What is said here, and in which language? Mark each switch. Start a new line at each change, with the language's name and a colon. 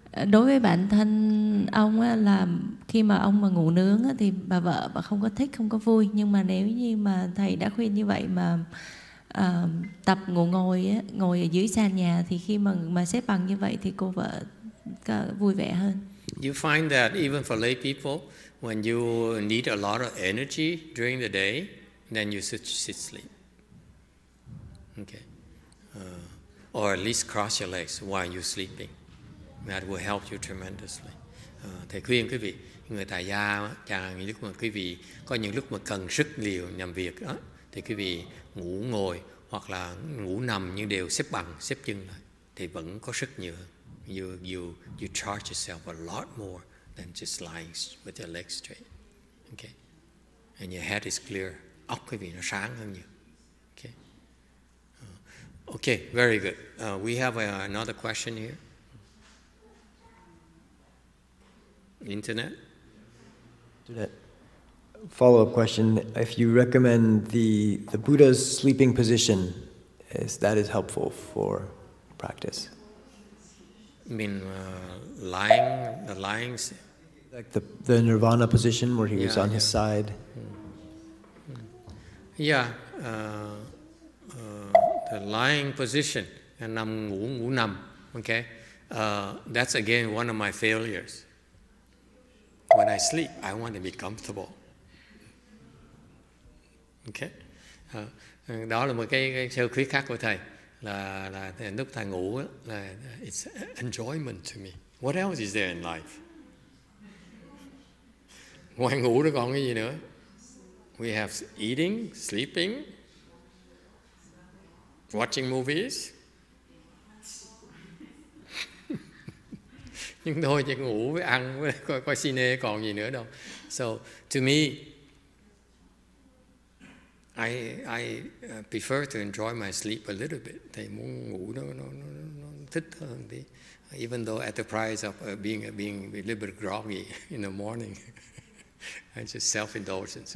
Vietnamese: Đối với bản thân ông á, là khi mà ông mà ngủ nướng á, thì bà vợ bà không có thích, không có vui. Nhưng mà nếu như mà thầy đã khuyên như vậy mà tập ngủ ngồi á, ngồi ở dưới sàn nhà, thì khi mà xếp bằng như vậy thì cô vợ có vui vẻ hơn.
English: You find that even for lay people, when you need a lot of energy during the day, then you should sleep. Okay. Or at least cross your legs while you're sleeping. That will help you tremendously.
Vietnamese: Thầy khuyên quý vị, người tại gia, chàng lúc mà quý vị có những lúc mà cần sức liều làm việc đó, thì quý vị ngủ ngồi hoặc là ngủ nằm nhưng đều xếp bằng, xếp chân lại, thì vẫn có sức nhiều.
English: You charge yourself a lot more than just lying with your legs straight. Okay, and your head is clear.
Vietnamese: Óc quý vị nó sáng hơn nhiều.
English: Okay. Okay, very good. We have another question here. Internet? Internet. Follow-up question. If you recommend the Buddha's sleeping position, is that is helpful for practice? You mean lying? The lying? Like the Nirvana position where he was on his side? Yeah. The lying position.
Vietnamese: Nằm ngủ nằm.
English: Okay. That's again one of my failures. When I sleep, I want to be comfortable.
Vietnamese: Okay, đó là một cái sơ khuyết khác của thầy là lúc thầy ngủ là
English: it's enjoyment to me. What else is there in life?
Vietnamese: Ngoài ngủ nó còn cái gì nữa?
English: We have eating, sleeping, watching movies.
Vietnamese: Nhưng thôi chỉ ngủ với ăn với coi cine còn gì nữa đâu.
English: So to me, I prefer to enjoy my sleep a little bit.
Vietnamese: Thầy muốn ngủ nó thích hơn đi.
English: Even though at the price of being a little bit groggy in the morning, I'm just self indulgence.